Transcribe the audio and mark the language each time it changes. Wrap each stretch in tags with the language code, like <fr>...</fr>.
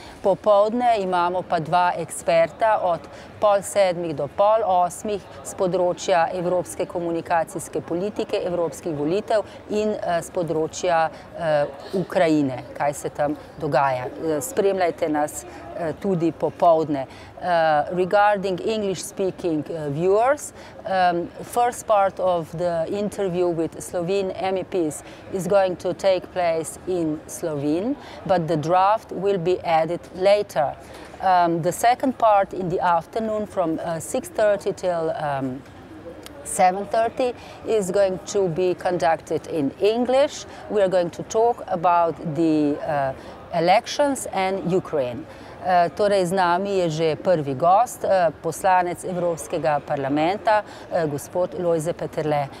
<sl>Popoldne imamo pa 2 eksperta od 6:30 do 7:30 z področja evropske komunikacijske politike, evropskih volitev in z področja Ukrajine, kaj se tam dogaja. Spremljajte nas tudi popoldne.</sl> <en>Regarding English speaking viewers, first part of the interview with Slovene MEPs is going to take place in Slovene, but the draft will be added later. The second part in the afternoon from 6:30 till 7:30 is going to be conducted in English. We are going to talk about the elections and Ukraine.</en> <sl>Torej, z nami je že prvi gost, poslanec Evropskega parlamenta, gospod Lojze Peterle.</sl>